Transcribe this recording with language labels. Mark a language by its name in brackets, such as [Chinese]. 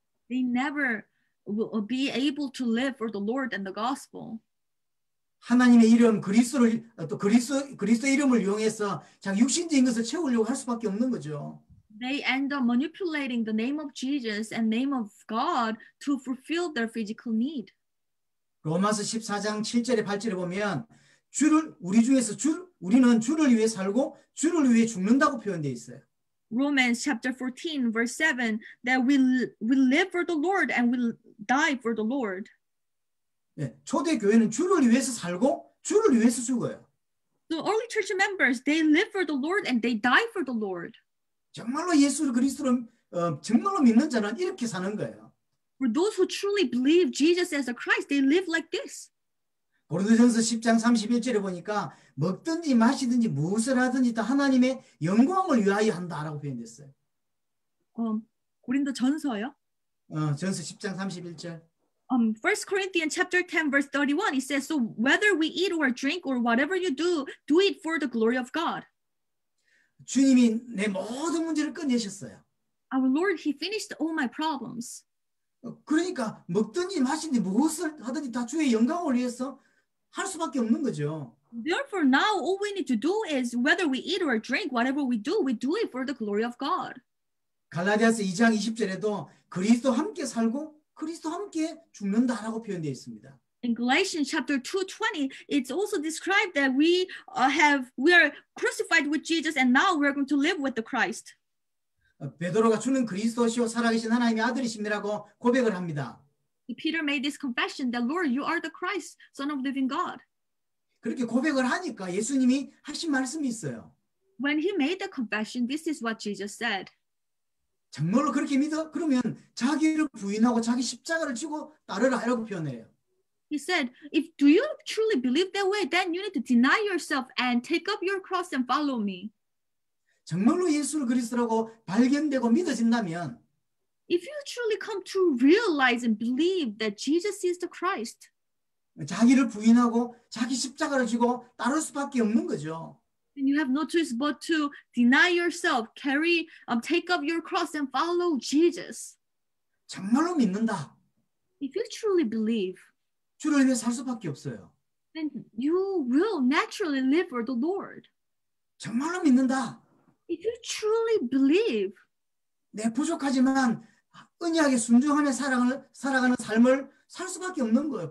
[English] They never will be able to live for the Lord and the gospel. [Korean] 하나님의 이름 그리스도를 또 그리스도 이름을 이용해서 자기 육신적인 것을 채우려고 할 수밖에 없는 거죠. [English] They end up manipulating the name of Jesus and name of God to fulfill their physical need. [Korean] 로마서 14장 7절에 8절에 보면 주를 우리 중에서 주 우리는 주를 위해 살고 주를 위해 죽는다고 표현돼 있어요. [English] Romans chapter 14 verse 7 that we live for the Lord and we die for the Lord. [Korean] 예, 초대 교회는 주를 위해서 살고 주를 위해서 죽어요. [English] The early church members they live for the Lord and they die for the Lord. [Korean] 정말로 예수를 그리스도로 정말로 믿는 자는 이렇게 사는 거예요. [English] For those who truly believe Jesus as a Christ, they live like this. [Korean] 고린도전서 10장 31절에 보니까 먹든지 마시든지 무엇을 하든지 다 하나님의 영광을 위하여 한다라고 표현됐어요. 고린도전서요? 전서 10장 31절. [English] First Corinthians chapter 10 verse 31 it says, "So whether we eat or drink or whatever you do, do it for the glory of God." [Korean] 주님이 내 모든 문제를 끝내셨어요. [English] Our Lord, He finished all my problems. [Korean] 그러니까 먹든지 마시든지 무엇을 하든지 다 주의 영광을 위해서 할 수밖에 없는 거죠. [English] Therefore, now all we need to do is whether we eat or drink, whatever we do it for the glory of God. [Korean] 갈라디아서 2장 20절에도 그리스도 함께 살고 그리스도 함께 죽는다라고 표현되어 있습니다. [English] In Galatians chapter 2:20, it's also described that we are crucified with Jesus, and now we're going to live with the Christ. [Korean] 베드로가 주는 그리스도시요 살아계신 하나님의 아들이심이라고 고백을 합니다. [English] Peter made this confession that Lord, you are the Christ, Son of the Living God. [Korean] 그렇게 고백을 하니까 예수님이 하신 말씀이 있어요. [English] When he made the confession, this is what Jesus said. [Korean] 정말로 그렇게 믿어? 그러면 자기를 부인하고 자기 십자가를 지고 따르라라고 표현해요. [English] He said, "If do you truly believe that way, then you need to deny yourself and take up your cross and follow me." [Korean] 정말로 예수를 그리스도라고 발견되고 믿어진다면, [English] if you truly come to realize and believe that Jesus is the Christ, [Korean] 자기를 부인하고 자기 십자가를 지고 따를 수밖에 없는 거죠. [English] Then you have no choice but to deny yourself, carry, take up your cross and follow Jesus. [Korean] 정말로 믿는다. [English] If you truly believe. [Korean] 주를 위해 살 수밖에 없어요. [English] Then you will naturally live for the Lord. [Korean] 정말로 믿는다. [English] If you truly believe. [Korean] 내 부족하지만 언약에 순종하며 살아가는 삶을 살 수밖에 없는 거예요.